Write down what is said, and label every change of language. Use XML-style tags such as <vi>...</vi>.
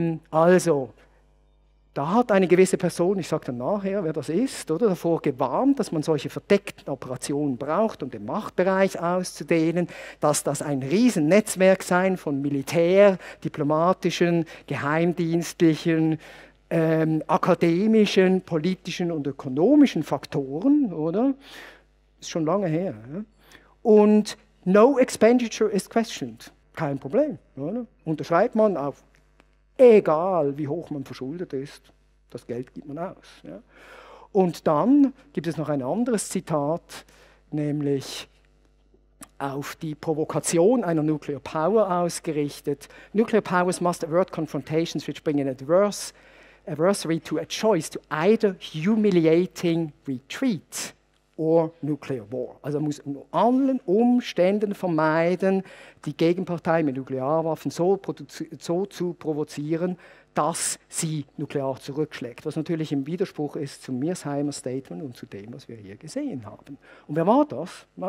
<de>Also, da hat eine gewisse Person, ich sage dann nachher, wer das ist, oder, davor gewarnt, dass man solche verdeckten Operationen braucht, um den Machtbereich auszudehnen, dass das ein Riesennetzwerk sein von Militär, diplomatischen, geheimdienstlichen, akademischen, politischen und ökonomischen Faktoren, oder? Ist schon lange her. Ja? Und</de> <en>no expenditure is questioned.</en> <de>Kein Problem. Oder? Unterschreibt man auf, egal wie hoch man verschuldet ist, das Geld gibt man aus. Ja? Und dann gibt es noch ein anderes Zitat, nämlich auf die Provokation einer Nuclear Power ausgerichtet.</de> <en>Nuclear powers must avert confrontations which bring an adversary to a choice to either humiliating retreat or nuclear war.</en> <de>Also man muss unter allen Umständen vermeiden, die Gegenpartei mit Nuklearwaffen so zu provozieren, dass sie nuklear zurückschlägt. Was natürlich im Widerspruch ist zum Mearsheimer Statement und zu dem, was wir hier gesehen haben. Und wer war das?</de>